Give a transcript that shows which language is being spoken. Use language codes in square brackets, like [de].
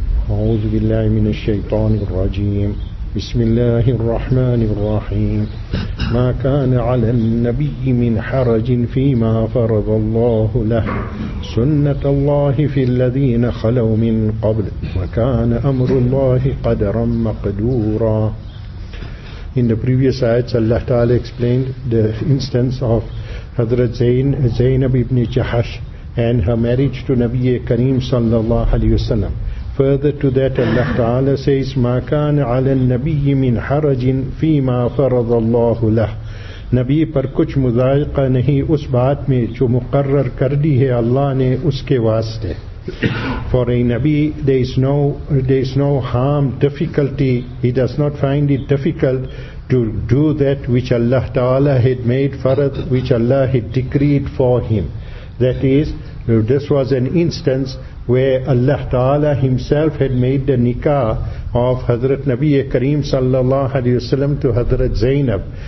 [ar] أعوذ بالله من الشيطان الرجيم. بسم الله الرحمن الرحيم. ما كان على النبي من حرج فيما فرض الله له، سنة الله في الذين خلوا من قبل، وكان أمر الله قدرا مقدورا. [en] In the previous ayats, Allah Ta'ala explained the instance of Hazrat Zainab ibn Jahash and her marriage to Nabi Kareem sallallahu alayhi wa sallam. Further to that, Allah Ta'ala says, [ar] مَا كَانَ عَلَى النَّبِيِّ مِنْ حَرَجٍ فِي مَا فَرَضَ اللَّهُ لَهُ. [ur] نبی پر کچھ مضائقہ نہیں اس بات میں جو مقرر کر دی ہے اللہ نے اس کے واسطے. [en] For a Nabi, there is no harm, difficulty. He does not find it difficult to do that which Allah Ta'ala had made farad, which Allah had decreed for him. That is, this was an instance where Allah Ta'ala himself had made the nikah of Hazrat Nabi Kareem sallallahu alayhi wa sallam to Hazrat Zainab.